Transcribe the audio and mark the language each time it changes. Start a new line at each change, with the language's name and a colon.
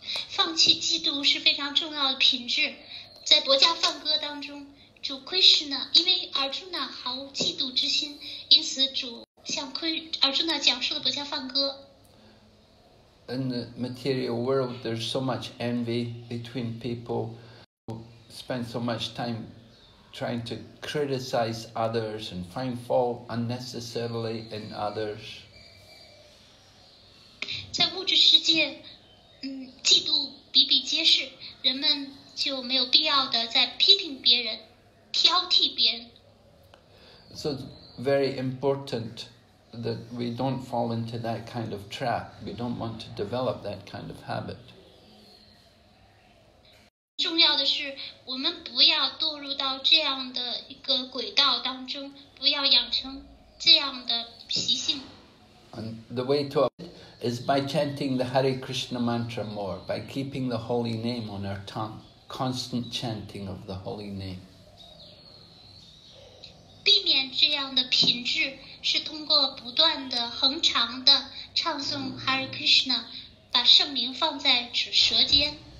Chinese: 放弃嫉妒是非常重要的品质，在博迦梵歌当中，主 Krishna 因为 Arjuna 毫无嫉妒之心，因此主向 Arjuna 讲述了博迦梵歌。
English: In the material world, there's so much envy between people who spend so much time trying to criticize others and find fault unnecessarily in others.
Chinese: 在物质世界，嫉妒比比皆是，人们就没有必要的在批评别人，挑剔别人。
English: So it's very important that we don't fall into that kind of trap. We don't want to develop that kind of habit.
Chinese: 重要的是，我们不要堕入到这样的一个轨道当中，不要养成这样的习性。
English: And the way to it is by chanting the Hare Krishna mantra more, by keeping the holy name on our tongue, constant chanting of the holy name.
Chinese: 避免这样的品质是通过不断的、恒常的唱诵 Hare Krishna, 把圣名放在舌尖。